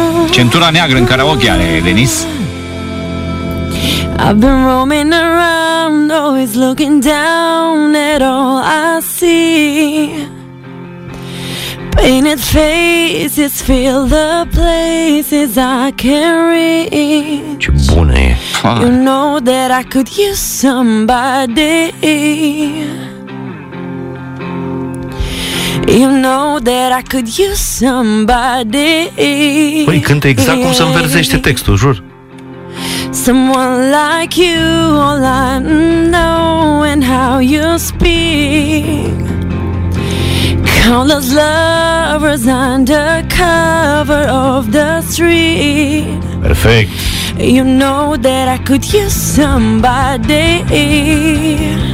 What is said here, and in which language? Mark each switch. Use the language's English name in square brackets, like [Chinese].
[Romanian] Centura neagră în karaoke are, Denis. [English] I've been roaming around, always looking down at all I see. Painted faces fill the places I can reach. [Romanian] Ce bună e. [English] You know that I could use somebody. You know that I could use somebody. [Romanian] Păi cântă exact cum să-mi verzește textul, jur. [English] Someone like you, all I know and how you speak. Countless lovers under cover of the street. [Romanian] Perfect. [English] You know that I could use somebody.